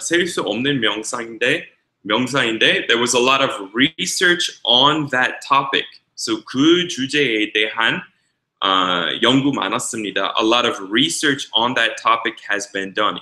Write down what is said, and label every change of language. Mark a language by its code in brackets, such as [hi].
[ko] 셀 수 없는 명사인데 [en] there was a lot of research on that topic. [ko] So 그 주제에 대한 연구 많았습니다. [en] A lot of research on that topic has been done.